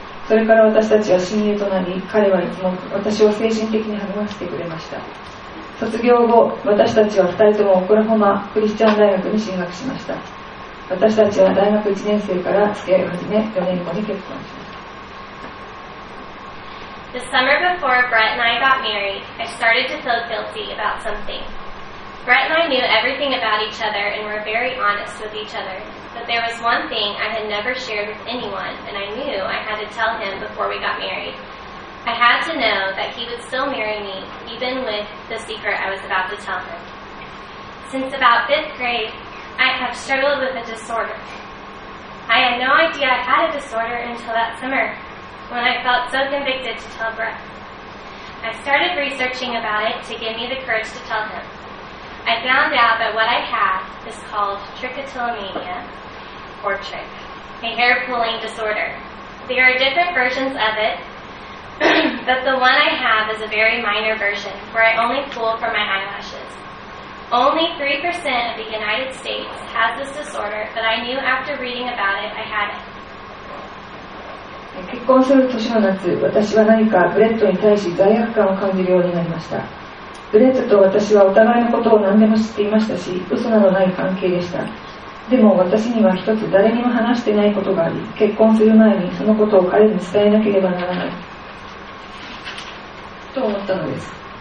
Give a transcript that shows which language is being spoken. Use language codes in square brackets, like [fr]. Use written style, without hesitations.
[ja] それから私たちは親友となり、彼はいつも私を精神的に励ましてくれました。卒業後、私たちは2人ともオクラホマクリスチャン大学に進学しました。私たちは大学1年生から付き合いを始め、4年後に結婚しました。 [en] The summer before Brett and I got married, I started to feel guilty about something. Brett and I knew everything about each other and were very honest with each other. But there was one thing I had never shared with anyone, and I knew I had to tell him before we got married. I had to know that he would still marry me, even with the secret I was about to tell him. Since about fifth grade, I have struggled with a disorder. I had no idea I had a disorder until that summer, when I felt so convicted to tell Brett. I started researching about it to give me the courage to tell him. I found out that what I have is called trichotillomania, or trich, a hair pulling disorder. There are different versions of it, but the one I have is a very minor version, where I only pull from my eyelashes. Only 3% of the United States has this disorder, but I knew after reading about it, I had it. [ja] 結婚する年の夏、私は何かブレットに対し罪悪感を感じるようになりました。ブレットと私はお互いのことを何でも知っていましたし、嘘などない関係でした。でも私には一つ誰にも話してないことがあり、結婚する前にそのことを彼に伝えなければならないと思ったのです。